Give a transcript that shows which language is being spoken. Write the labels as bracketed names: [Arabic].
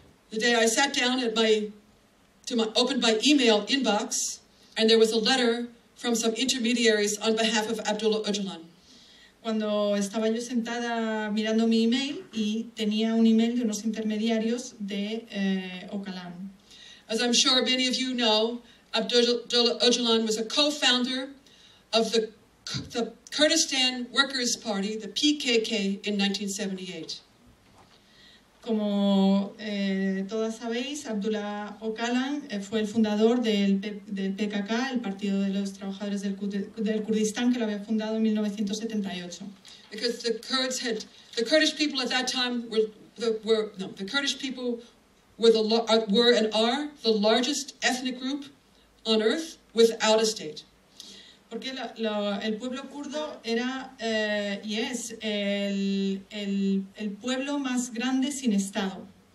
[English] The day I sat down at opened my email inbox and there was a letter from some intermediaries on behalf of Abdullah Öcalan. [Spanish] Cuando estaba yo sentada mirando mi email y tenía un email de unos intermediarios de Öcalan. [English] As I'm sure many of you know, Abdullah Öcalan was a co-founder of the Kurdistan Workers' Party, the PKK, in 1978. [Spanish] Como todas sabéis, Abdullah Öcalan fue el fundador del PKK, el Partido de los Trabajadores del Kurdistán, que lo había fundado en 1978. [English] Because the Kurdish people were and are the largest ethnic group on earth without a state. [Spanish] Porque el pueblo kurdo era y es el pueblo más grande sin estado.